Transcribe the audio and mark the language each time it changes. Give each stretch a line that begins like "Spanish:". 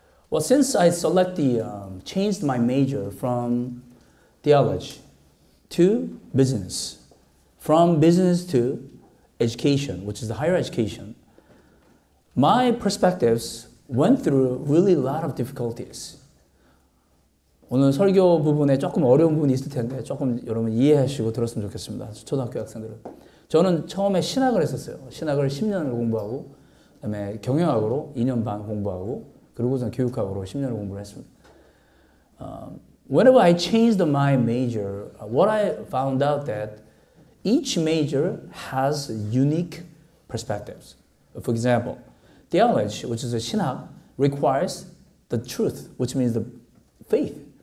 English: Well, since I changed my major from theology to business, from business to education, which is the higher education, my perspectives went through really a lot of difficulties.
Korean: 오늘 설교 부분에 조금 어려운 부분이 있을 텐데 조금 여러분 이해하시고 들었으면 좋겠습니다. 초등학교 학생들은. 저는 처음에 신학을 했었어요. 신학을 10년을 공부하고, 그다음에 경영학으로 2년 반 공부하고, 그리고선 교육학으로 10년을 공부를 했습니다.
English: Whenever I changed my major, what I found out that each major has unique perspectives. For example, theology, which is a 신학, requires the truth, which means the faith.